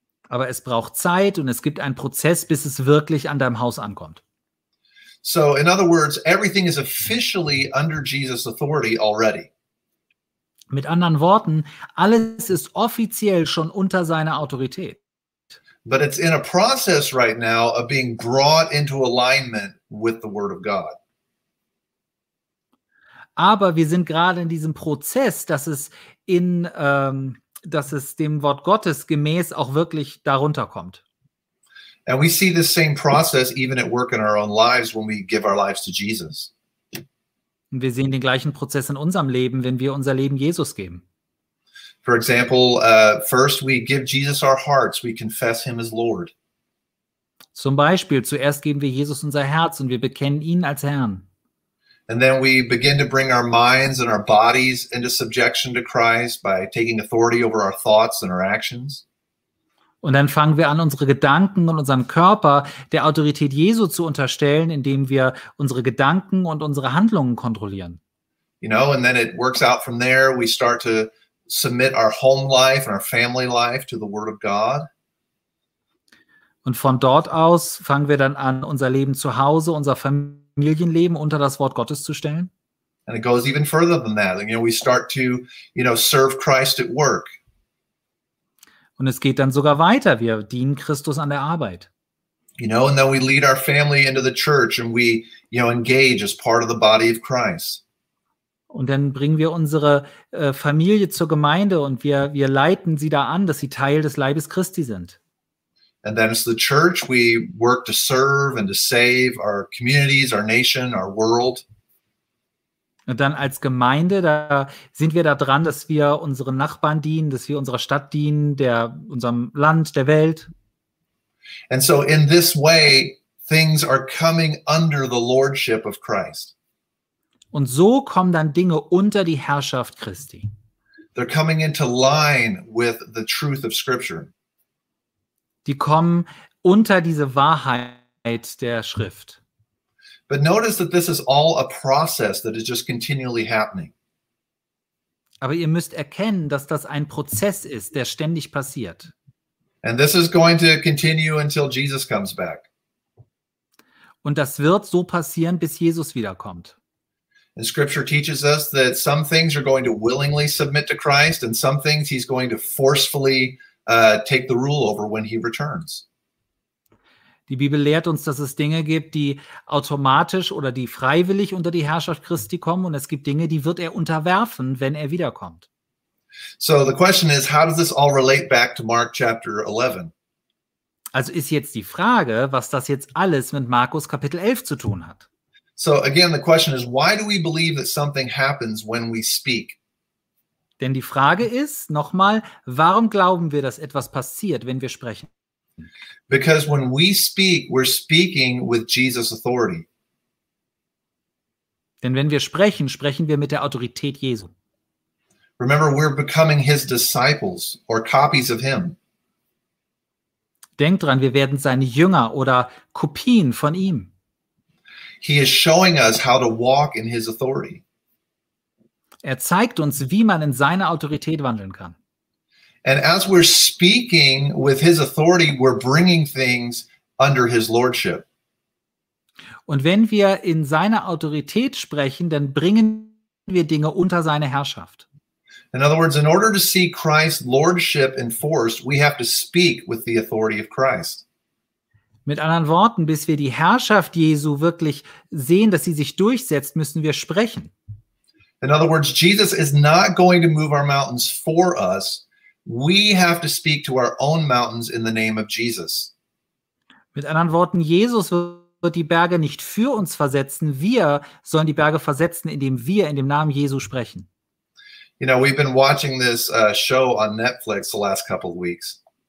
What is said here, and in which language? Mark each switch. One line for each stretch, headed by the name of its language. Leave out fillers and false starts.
German: Aber es braucht Zeit und es gibt einen Prozess, bis es wirklich an deinem Haus ankommt.
English: So in other words, everything is officially under Jesus' authority already.
German: Mit anderen Worten, alles ist offiziell schon unter seiner Autorität.
English: But it's in a process right now of being brought into alignment with the Word of God.
German: Aber wir sind gerade in diesem Prozess, dass es in dass es dem Wort Gottes gemäß auch wirklich darunter kommt.
English: And we see this same process even at work in our own lives when we give our lives to Jesus.
German: Und wir sehen den gleichen Prozess in unserem Leben, wenn wir unser Leben Jesus geben.
English: For example, first we give Jesus our hearts, we confess him as Lord.
German: Zum Beispiel, zuerst geben wir Jesus unser Herz und wir bekennen ihn als Herrn.
English: And then we begin to bring our minds and our bodies into subjection to Christ by taking authority over our thoughts and our actions.
German: Und dann fangen wir an, unsere Gedanken und unseren Körper der Autorität Jesu zu unterstellen, indem wir unsere Gedanken und unsere Handlungen kontrollieren.
English: You know, and then it works out from there. We start to submit our home life and our family life to the Word of God.
German: Und von dort aus fangen wir dann an, unser Leben zu Hause, unser Familienleben unter das Wort Gottes zu stellen.
English: And it goes even further than that. You know, we start to, you know, serve Christ at work.
German: Und es geht dann sogar weiter. Wir dienen Christus an der Arbeit.
English: You know, and then we lead our family into the church and we, you know, engage as part of the body of Christ.
German: Und dann bringen wir unsere Familie zur Gemeinde und wir leiten sie da an, dass sie Teil des Leibes Christi sind.
English: And then as the church, we work to serve and to save our communities, our nation, our world.
German: Und dann als Gemeinde, da sind wir da dran, dass wir unseren Nachbarn dienen, dass wir unserer Stadt dienen, der unserem Land, der Welt.
English: And so in this way, things are coming under the lordship of Christ.
German: Und so kommen dann Dinge unter die Herrschaft Christi.
English: They're coming into line with the truth of Scripture.
German: Die kommen unter diese Wahrheit der Schrift.
English: But notice that this is all a process that is just continually happening.
German: Aber ihr müsst erkennen, dass das ein Prozess ist, der ständig passiert.
English: And this is going to continue until Jesus comes back.
German: Und das wird so passieren, bis Jesus wiederkommt.
English: And Scripture teaches us that some things are going to willingly submit to Christ and some things he's going to forcefully take the rule over when he returns.
German: Die Bibel lehrt uns, dass es Dinge gibt, die automatisch oder die freiwillig unter die Herrschaft Christi kommen, und es gibt Dinge, die wird er unterwerfen, wenn er wiederkommt.
English: So the question is, how does this all relate back to Mark chapter 11?
German: Also ist jetzt die Frage, was das jetzt alles mit Markus Kapitel 11 zu tun hat.
English: So again, the question is, why do we believe that something happens when we speak?
German: Denn die Frage ist nochmal, warum glauben wir, dass etwas passiert, wenn wir sprechen?
English: Because when we speak, we're speaking with Jesus' authority.
German: Denn wenn wir sprechen, sprechen wir mit der Autorität Jesu.
English: Remember, we're becoming his disciples or copies of him.
German: Denkt dran, wir werden seine Jünger oder Kopien von ihm.
English: He is showing us how to walk in his authority.
German: Er zeigt uns, wie man in seiner Autorität wandeln kann.
English: And as we're speaking with his authority, we're bringing things under his lordship.
German: Und wenn wir in seiner Autorität sprechen, dann bringen wir Dinge unter seine Herrschaft.
English: In other words, in order to see Christ's lordship enforced, we have to speak with the authority of Christ.
German: Mit anderen Worten, bis wir die Herrschaft Jesu wirklich sehen, dass sie sich durchsetzt, müssen wir sprechen.
English: In other words, Jesus is not going to move our mountains for us. We have to speak to our own mountains in the name of Jesus.
German: Mit anderen Worten, Jesus wird die Berge nicht für uns versetzen. Wir sollen die Berge versetzen, indem wir in dem Namen Jesu sprechen.
English: You know, we've been watching this show on Netflix the last couple of weeks.